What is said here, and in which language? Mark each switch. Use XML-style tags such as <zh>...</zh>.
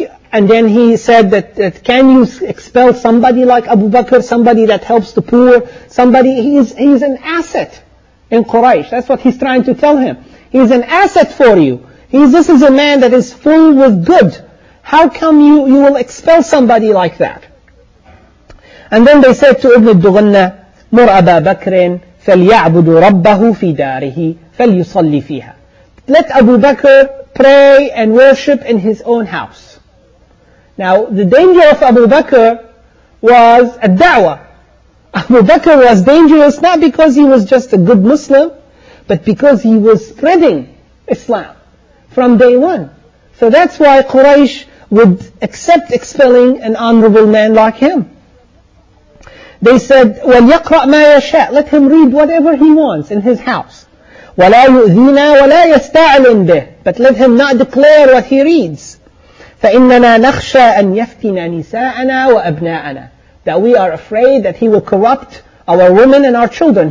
<en>And then he said that can you expel somebody like Abu Bakr, somebody that helps the poor, somebody, he's an asset in Quraysh. That's what he's trying to tell him. He's an asset for you. This is a man that is full with good. How come you will expel somebody like that? And then they said to Ibn al-Dughunna,</en> <ar>مُرْ أَبَا بَكْرٍ فَلْيَعْبُدُ رَبَّهُ فِي دَارِهِ فَلْيُصَلِّ فِيهَا.</ar> <en>Let Abu Bakr pray and worship in his own house. Now, the danger of Abu Bakr was a da'wah. Abu Bakr was dangerous not because he was just a good Muslim, but because he was spreading Islam from day one. So that's why Quraysh would accept expelling an honorable man like him. They said,</en> <ar>وَلْيَقْرَأْ مَا يَشَاءُ.</ar> <en>Let him read whatever he wants in his house.</en> <ar>وَلَا يُؤْذِينَا وَلَا يَسْتَعْلِنْ بِهِ.</ar> <en>But let him not declare what he reads.</en> <ar>فَإِنَّنَا نَخْشَىٰ أَنْ يَفْتِنَ نِسَاءَنَا وَأَبْنَاءَنَا.</ar> <en>that we are afraid that he will corrupt our women and our children.</en>